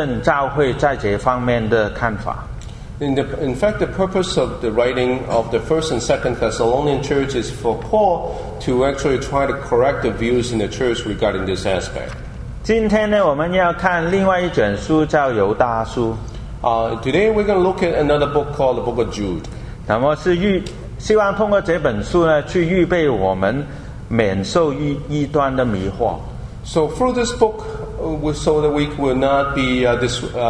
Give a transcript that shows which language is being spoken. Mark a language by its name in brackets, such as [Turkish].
[Chinese] 帖撒罗尼迦前后书的写作的其中一个目的呢，就是保罗呢去改正教会在这方面的看法。 [English] In fact, the purpose of the writing of the 1st and 2nd Thessalonian Church is for Paul to actually try to correct the views in the church regarding this aspect. [Chinese] 今天呢,我们要看另外一卷书叫《犹大书》。 [English] Today, we're going to look at another book called the Book of Jude. [Chinese] 希望通过这本书呢,去预备我们免受异端的迷惑。 [English] So through this book, so that we will not be this...